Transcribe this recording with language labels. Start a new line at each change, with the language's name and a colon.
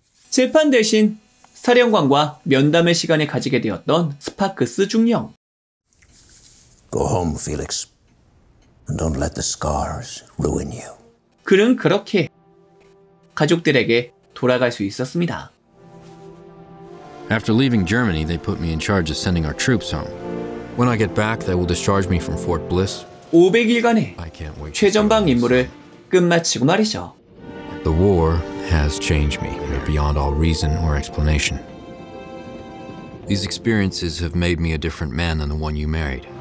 Korean: 재판 대신 사령관과 면담의 시간을 가지게 되었던 스파크스 중령.
English: Go home, Felix. And don't let the scars ruin you.
Korean: 그는 그렇게 가족들에게 돌아갈 수 있었습니다.
English: After leaving Germany, they put me in charge of sending our troops home. When I get back, they will discharge me from Fort Bliss.
Korean: 500일간의 최전방 임무를 끝마치고 말이죠.
English: The war has changed me beyond all reason or explanation. These experiences have made me a different man than the one you married.